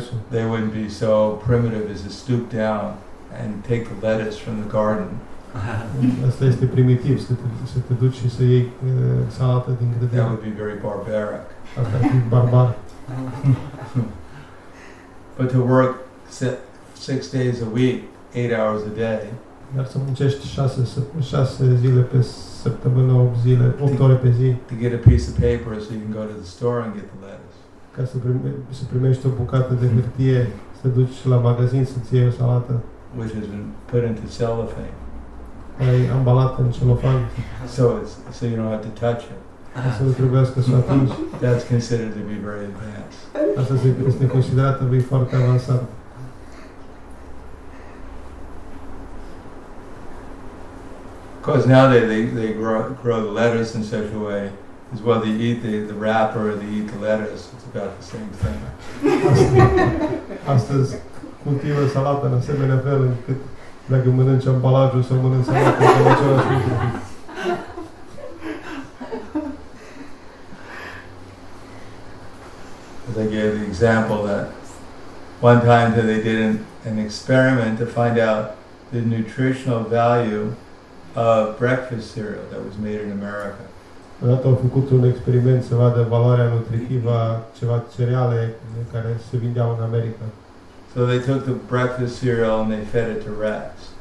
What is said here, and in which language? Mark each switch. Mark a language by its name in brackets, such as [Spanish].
[English] They wouldn't be so primitive as to stoop down and take the lettuce from the garden. [Romanian] Asta este primitiv, să te duci și să iei salată din grădină. [English] That would be very barbaric. [Romanian] Asta ar fi barbar. [English] But to work 6 days a week, 8 hours a day. [Romanian] Dar să muncești șase zile pe săptămână, 8 ore pe zi. [English] To get a piece of paper so you can go to the store and get the lettuce. [Romanian] Ca să primești o bucată de hârtie, să duci la magazin să-ți iei o salată. [English] Which has been put into cellophane. [Romanian] Ai ambalat în celofan. [English] So you don't have to touch it. [Romanian] Să nu trebuiască să o atingi. [English] That's considered to be very advanced. [Romanian] Asta este considerat [English] to be [Romanian] foarte avansat. [English] Because now they grow the lettuce in such a way. Is whether you eat the wrapper or they eat the lettuce, it's about the same thing. [Romanian] Astăzi cultivă salată în asemenea fel încât dacă mănânci ambalajul sau mănânci salată, e același lucru. [English] As I gave the example that one time that they did an experiment to find out the nutritional value of breakfast cereal that was made in America. [Romanian] Odată au făcut un experiment să vadă valoarea nutritivă a ceva cereale care se vindeau în America. [English] So they took the breakfast cereal and they fed it to rats.